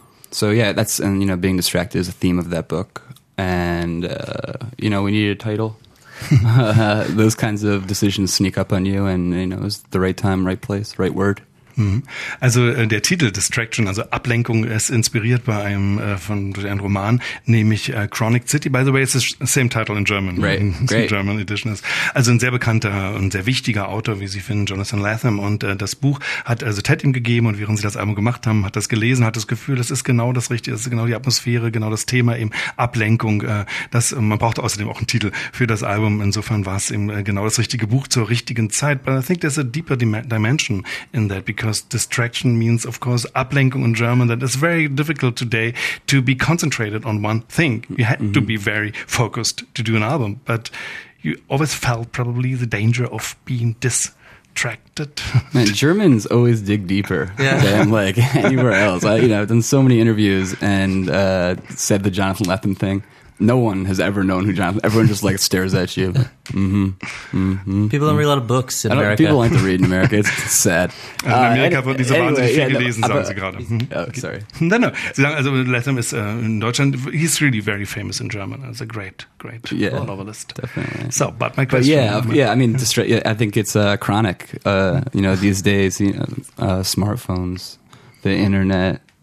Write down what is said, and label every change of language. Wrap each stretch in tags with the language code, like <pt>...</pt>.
<en>So that's, and, you know, being distracted is a theme of that book. And, we needed a title. Those kinds of decisions sneak up on you, and, you know, it was the right time, right place, right word.</en> <de>Also der Titel Distraction, also Ablenkung, ist inspiriert bei einem durch einen Roman, nämlich Chronic City.</de> <en>By the way, it's the same title in German. Right. Great. The German edition is.</en> <de>Also ein sehr bekannter und sehr wichtiger Autor, wie Sie finden, Jonathan Latham. Und das Buch hat also Ted ihm gegeben und während sie das Album gemacht haben, hat das gelesen, hat das Gefühl, das ist genau das Richtige, das ist genau die Atmosphäre, genau das Thema eben Ablenkung. Man braucht außerdem auch einen Titel für das Album. Insofern war es eben genau das richtige Buch zur richtigen Zeit.</de> <en>But I think there's a deeper dimension in that, because distraction means, of course, Ablenkung in German, that it's very difficult today to be concentrated on one thing. You had to be very focused to do an album, but you always felt probably the danger of being distracted. Man, Germans always dig deeper than like anywhere else. I've done so many interviews and said the Jonathan Latham thing. No one has ever known who Jonathan... Everyone just, like, stares at you. People don't read a lot of books in America. People like to read in America. It's sad.</en> <de>In Amerika wurden diese wahnsinnig viel gelesen, sagen sie gerade.</de> <en>Sorry.</en> <de>No. Sie sagen, also Latham ist in Deutschland...</de> <en>He's really very famous in German. He's a great, great novelist. Definitely. So, but my question... I think it's chronic. These days, smartphones, the internet...</en>